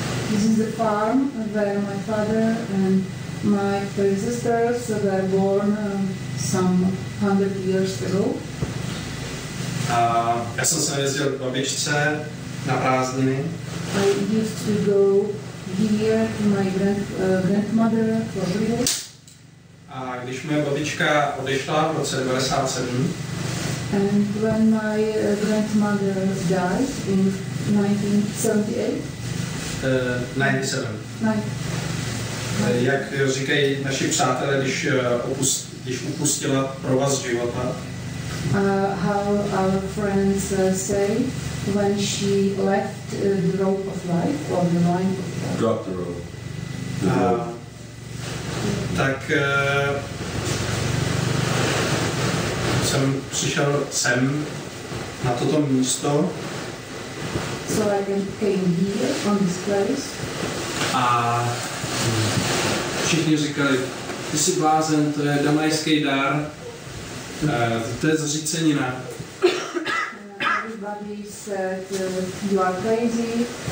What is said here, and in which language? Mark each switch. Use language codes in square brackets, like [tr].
[en] This is the farm where my father and my predecessors were born some 100 years ago. [cs] Já jsem se jezdil k babičce na prázdniny. [en] I used to go here to my grandmother for holidays. [cs] A když moje babička odešla v roce 97. [en] And when my grandmother died in 1978. 97. [cs] Jak říkají naši přátelé, když upustila provaz života? [en] How our friends say when she left the rope of life or the line of life? Drop the rope. [cs] Tak jsem přišel sem na toto místo. [en] So I came here on this place. [cs] A všichni říkali, ty jsi blázen, to je damajský dar, to je zřícenina. [en] Everybody said you are crazy.